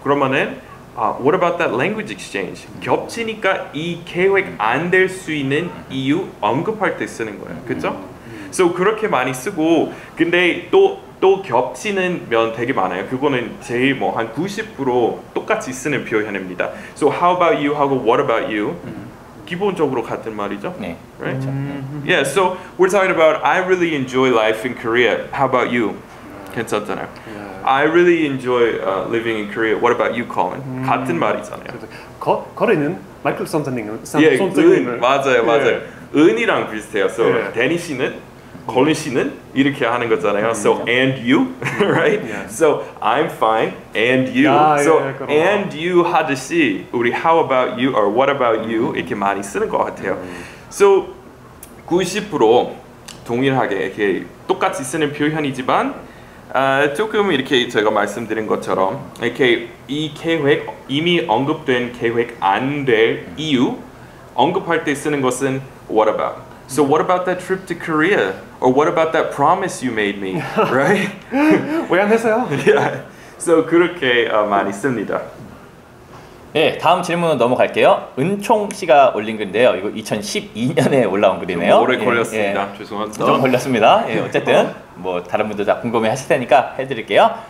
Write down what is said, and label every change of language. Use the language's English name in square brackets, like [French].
[English] 그러면은 What about that language exchange? [Korean] 겹치니까 이 계획 안 될 수 있는 이유 언급할 때 쓰는 거예요. 그쵸? So 그렇게 많이 쓰고 근데 또 겹치는 면 되게 많아요. 그거는 제일 뭐 한 90% 똑같이 쓰는 표현입니다. [English] So how about you 하고 what about you? [Korean] 기본적으로 같은 말이죠. 네. [English] Right? Yeah, so we're talking about I really enjoy life in Korea. How about you? [Korean] 괜찮잖아요. [English] Yeah. I really enjoy living in Korea. What about you, Colin? [Korean] 같은 말이잖아요. 거리는 마이클 선생님은 선생님은 맞아요, 맞아요. 예. 은이랑 비슷해요. So 예. 데니 씨는 Colin 씨는 이렇게 하는 거잖아요. [English] So and you, right? Yeah. So I'm fine. And you. Yeah, so yeah, [Korean] and you 하듯이 우리 [English] how about you or what about you [Korean] 이렇게 많이 쓰는 것 같아요. So 90% 동일하게 이렇게 똑같이 쓰는 표현이지만 조금 이렇게 제가 말씀드린 것처럼 이렇게 이 계획 이미 언급된 계획 안 될 이유 언급할 때 쓰는 것은 what about? [English] So what about that trip to Korea? Or what about that promise you made me? Right? [Korean] 왜 안 했어요? [English] Yeah. [Korean] So 그렇게 많이 씁니다. 네, 다음 질문으로 넘어갈게요. 은총 씨가 올린 글인데요. 이거 2012년에 올라온 글이네요. 오래 걸렸습니다. 예, 예. 죄송합니다. 좀 걸렸습니다. 예, 어쨌든 뭐 다른 분들 다 궁금해 하실 테니까 해드릴게요.